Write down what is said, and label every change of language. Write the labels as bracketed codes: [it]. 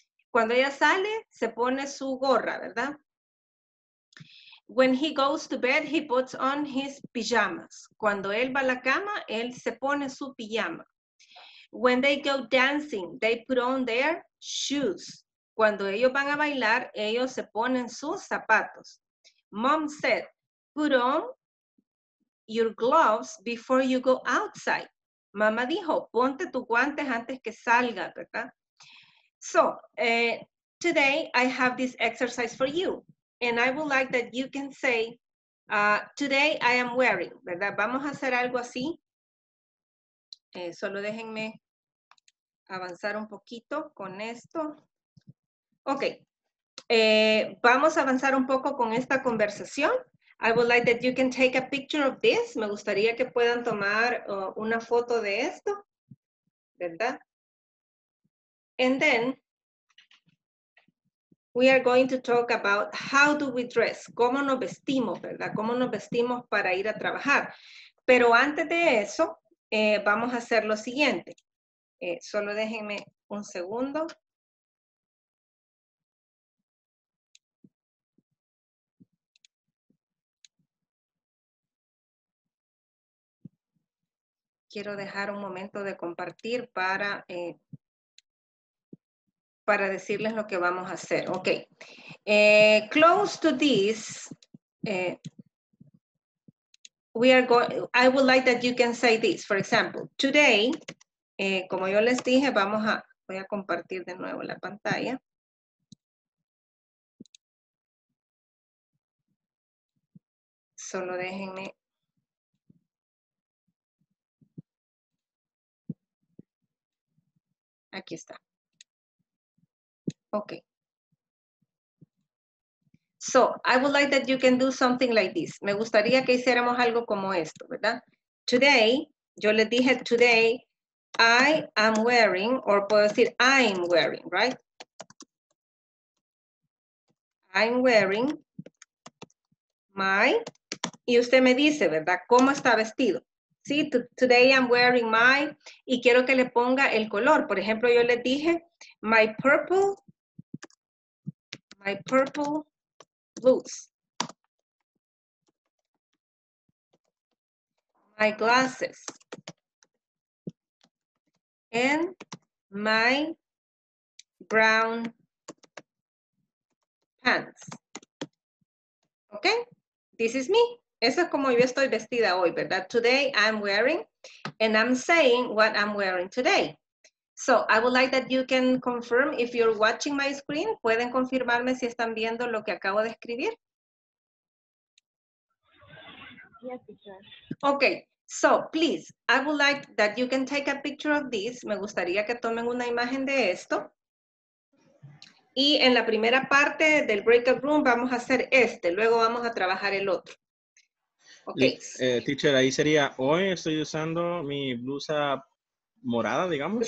[es] Cuando ella sale, se pone su gorra, ¿verdad? [en] When he goes to bed, he puts on his pajamas. [es] Cuando él va a la cama, él se pone su pijama. [en] When they go dancing, they put on their shoes. [es] Cuando ellos van a bailar, ellos se ponen sus zapatos. [en] Mom said, put on your gloves before you go outside. [es] Mamá dijo, ponte tus guantes antes que salga, ¿verdad? [en] So, today I have this exercise for you. And I would like that you can say, today I am wearing, [es] ¿verdad? Vamos a hacer algo así. Solo déjenme avanzar un poquito con esto. Ok. Vamos a avanzar un poco con esta conversación. [en] I would like that you can take a picture of this. [es] Me gustaría que puedan tomar una foto de esto, ¿verdad? [en] And then, we are going to talk about how do we dress, [es] cómo nos vestimos, ¿verdad? Cómo nos vestimos para ir a trabajar. Pero antes de eso, vamos a hacer lo siguiente. Solo déjenme un segundo. Quiero dejar un momento de compartir para decirles lo que vamos a hacer. Ok. [en] Close to this, I would like that you can say this. For example, today, [es] como yo les dije, voy a compartir de nuevo la pantalla. Solo déjenme. Aquí está. Okay. [en] So, I would like that you can do something like this. [es] Me gustaría que hiciéramos algo como esto, ¿verdad? [en] Today, [es] yo les dije, [en] today, I am wearing, or [es] puedo decir, [en] I'm wearing, right? I'm wearing my, [es] y usted me dice, ¿verdad? ¿Cómo está vestido? Sí, [en] today I'm wearing my, [es] y quiero que le ponga el color. Por ejemplo, yo les dije, [en] my purple blues. My glasses. And my brown pants. Okay? This is me. [es] Eso es como yo estoy vestida hoy, ¿verdad? [en] Today I'm wearing, and I'm saying what I'm wearing today. So, I would like that you can confirm if you're watching my screen. [es] ¿Pueden confirmarme si están viendo lo que acabo de escribir? [en] Yes, teacher. Okay, so please, I would like that you can take a picture of this. [es] Me gustaría que tomen una imagen de esto. Y en la primera parte del breakout room vamos a hacer este. Luego vamos a trabajar el otro. [en] Okay. [es] Teacher, ahí sería, hoy estoy usando mi blusa morada, digamos.